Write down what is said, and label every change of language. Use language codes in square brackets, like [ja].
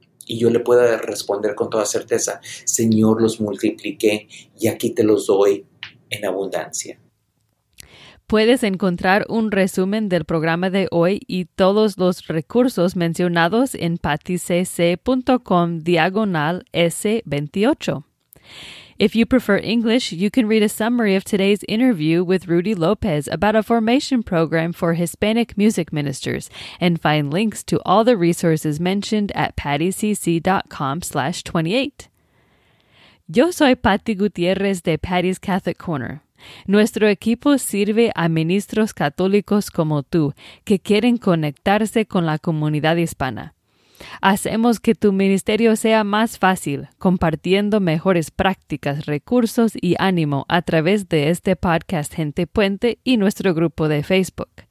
[es] Y yo le pueda responder con toda certeza, Señor, los multipliqué y aquí te los doy en abundancia. Puedes encontrar un resumen del programa de hoy y todos los recursos mencionados en patticc.com/S28. [en] If you prefer English, you can read a summary of today's interview with Rudy López about a formation program for Hispanic music ministers and find links to all the resources mentioned at patticc.com/28. [es] Yo soy Patti Gutiérrez de Patti's Catholic Corner. Nuestro equipo sirve a ministros católicos como tú que quieren conectarse con la comunidad hispana. Hacemos que tu ministerio sea más fácil, compartiendo mejores prácticas, recursos y ánimo a través de este podcast Gente Puente y nuestro grupo de Facebook.